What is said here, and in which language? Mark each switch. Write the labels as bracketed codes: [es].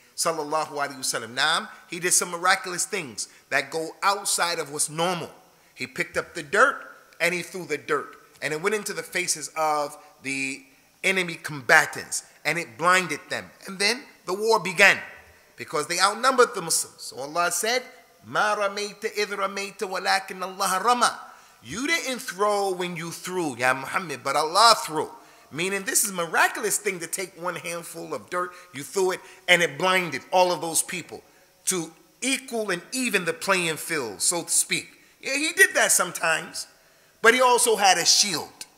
[en] Sallallahu alayhi wa sallam. Naam, he did some miraculous things that go outside of what's normal. He picked up the dirt and he threw the dirt. And it went into the faces of the enemy combatants. And it blinded them. And then the war began. Because they outnumbered the Muslims. So Allah said, [ar] مَا رَمَيْتَ إِذْ رَمَيْتَ وَلَكِنَّ اللَّهَ رَمَى. [en] You didn't throw when you threw, Ya Muhammad, but Allah threw. Meaning this is a miraculous thing to take one handful of dirt, you threw it, and it blinded all of those people to equal and even the playing field, so to speak. Yeah, he did that sometimes, but he also had a shield.